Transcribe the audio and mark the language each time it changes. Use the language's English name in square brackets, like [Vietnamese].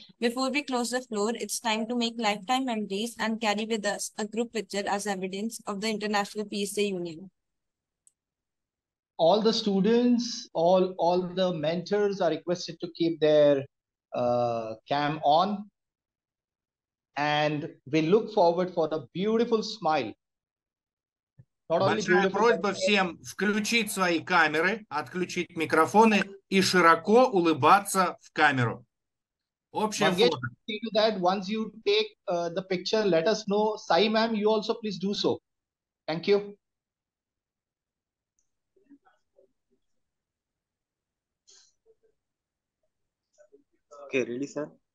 [English] Before we close the floor, it's time to make lifetime memories and carry with us a group picture as evidence of the International Peace Day Union. All the students, all the mentors are requested to keep their cam on, and we look forward for a beautiful smile. [Russian] Большая просьба всем включить свои камеры, отключить микрофоны и широко улыбаться в камеру. Общая фото. [English] That once you take the picture, let us know. Sai ma'am, you also please do so. Thank you. Okay, ready, sir?